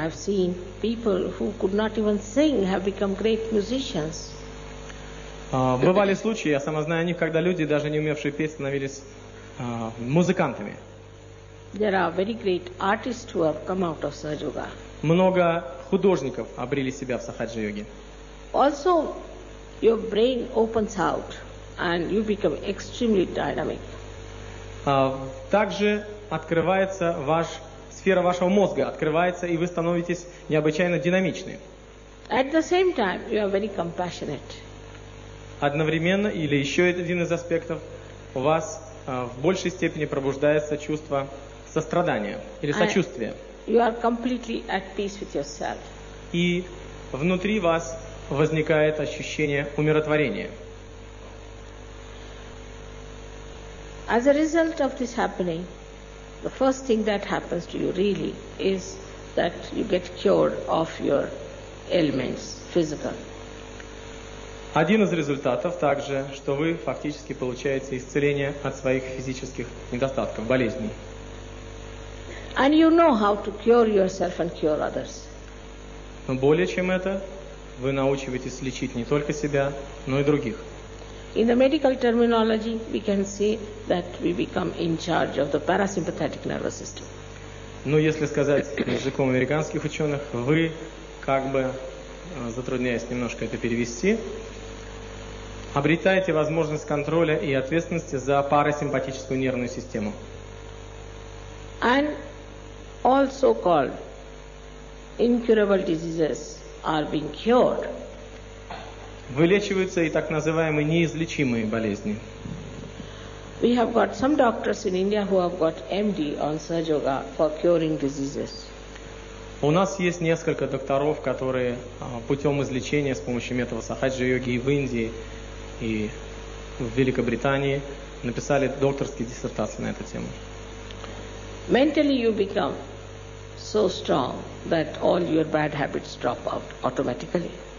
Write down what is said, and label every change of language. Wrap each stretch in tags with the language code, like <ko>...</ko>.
<en>I've seen people who could not even sing have become great musicians.</en> <ru>Бывали случаи, я сама знаю о них, когда люди, даже не умевшие петь, становились музыкантами.</ru> <en>There are very great artists who have come out of Sahaja.</en> <ru>Много художников обрели себя в Сахаджа-йоге.</ru> <en>Also, your brain opens out and you become extremely dynamic.</en> <ru>Также открывается ваш сфера вашего мозга, открывается, и вы становитесь необычайно динамичны.</ru> <en>At the same time, you are very compassionate.</en> <ru>Одновременно, или еще один из аспектов, у вас в большей степени пробуждается чувство сострадания или сочувствия.</ru> <en>You are completely at peace with yourself.</en> <ru>И внутри вас возникает ощущение умиротворения.</ru> <en>As a result of this happening, the first thing that happens to you really is that you get cured of your ailments, physical.</en> <ru>Один из результатов также, что вы фактически получаете исцеление от своих физических недостатков, болезней.</ru> <en>And you know how to cure yourself and cure others.</en> <ru>Но более чем это, вы научиваетесь лечить не только себя, но и других.</ru> <en>In the medical terminology, we can say that we become in charge of the parasympathetic nervous system.</en> <ru>Но если сказать языком американских ученых, вы как бы, затрудняясь немножко это перевести, обретаете возможность контроля и ответственности за парасимпатическую нервную систему.</ru> <en>And all so-called incurable diseases are being cured.</en> <ru>Вылечиваются и так называемые неизлечимые болезни.</ru> <en>We have got some doctors in India who have got MD on Sahaja Yoga for curing diseases.</en> <ru>У нас есть несколько докторов, которые путем излечения с помощью метода Сахаджа Йоги в Индии и в Великобритании написали докторские диссертации на эту тему.</ru> <en>Mentally you become so strong that all your bad habits drop out automatically.</en>